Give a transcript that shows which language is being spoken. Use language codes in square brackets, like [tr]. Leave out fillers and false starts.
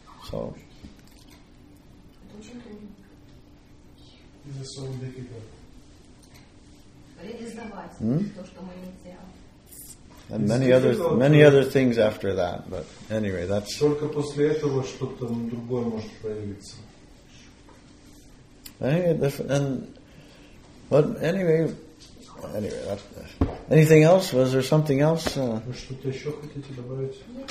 [en] So. [ru] Это очень трудно. Это очень трудно. Реализовать то, что мы не делаем. [en] And many other things after that, but anyway, that's [ru] только после этого что-то другое может появиться. [en] Anyway, that, anything else? Was there something else? [ru] Вы что-то еще хотите добавить?